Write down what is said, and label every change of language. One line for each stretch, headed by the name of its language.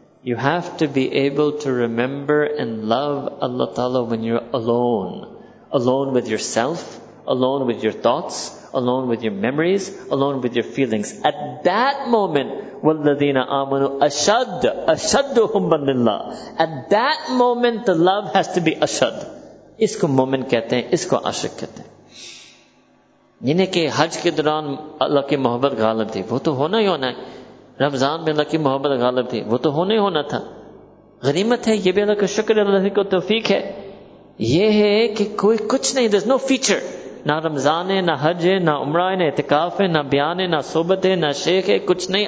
English: You have to be able to remember and love اللہ تعالیٰ when you alone, alone with yourself, alone with your thoughts, alone with your memories, alone with your feelings. At that moment
Arabic: والذین آمنوا اشد، اشد حبا للہ.
English: At that moment the love has to be اشد.
Urdu: اس کو مومن کہتے ہیں، اس کو عاشق کہتے ہیں. جنہیں کہ حج کے دوران اللہ کی محبت غالب تھی وہ تو ہونا ہی ہونا ہے، رمضان میں اللہ کی محبت غالب تھی وہ تو ہونا ہی ہونا تھا، غنیمت ہے یہ بھی اللہ کا شکر ہے، اللہ کو توفیق ہے. یہ ہے کہ کوئی کچھ نہیں،
English: there is no future,
Urdu: نہ رمضان ہے، نہ حج ہے، نہ عمرہ ہے، نہ اعتکاف ہے، نہ بیان ہے، نہ صحبت ہے، نہ شیخ ہے، کچھ نہیں.